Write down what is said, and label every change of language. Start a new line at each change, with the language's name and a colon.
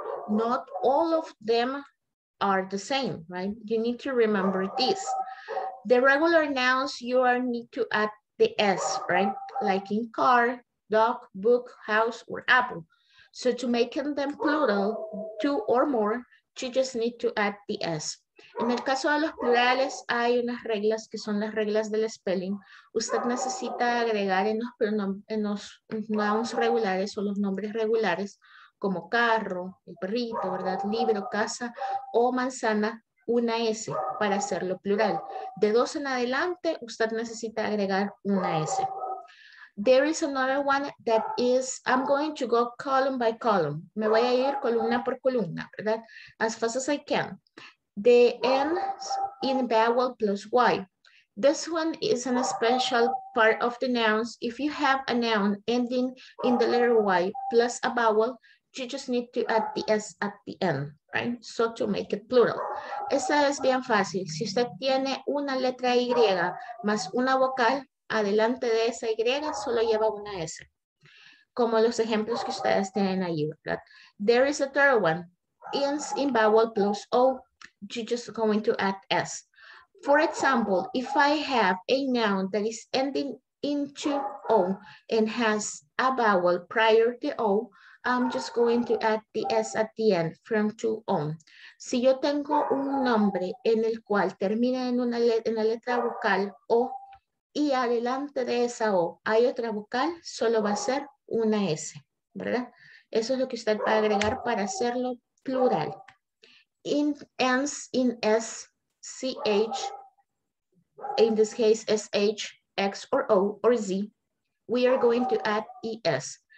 English: Not all of them are the same, right? You need to remember this. The regular nouns, you are need to add the S, right? Like in car, dog, book, house, or apple. So to make them plural, two or more, you just need to add the S.
Spanish: En el caso de los plurales, hay unas reglas que son las reglas del spelling. Usted necesita agregar en los nouns regulares o los nombres regulares, como carro, el perrito, ¿verdad? Libro, casa o manzana, una S para hacerlo plural. De dos en adelante, usted necesita agregar una S.
English: There is another one that is, I'm going to go column by column.
Spanish: Me voy a ir columna por columna, ¿verdad?
English: As fast as I can. The N in vowel plus Y. This one is a special part of the nouns. If you have a noun ending in the letter Y plus a vowel, you just need to add the S at the end, right? So to make it plural.
Spanish: Esa es bien fácil. Si usted tiene una letra Y más una vocal, adelante de esa Y solo lleva una S. Como los ejemplos que ustedes tienen ahí, ¿verdad?
English: There is a third one. Ends in vowel plus O, you're just going to add S. For example, if I have a noun that is ending into O and has a vowel prior to O, I'm just going to add the S at the end from to on.
Spanish: Si yo tengo un nombre en el cual termina en una letra vocal O y adelante de esa O hay otra vocal, solo va a ser una S, ¿verdad? Eso es lo que usted va a agregar para hacerlo plural.
English: In ends in S, CH, in this case SH, X or O or Z, we are going to add ES.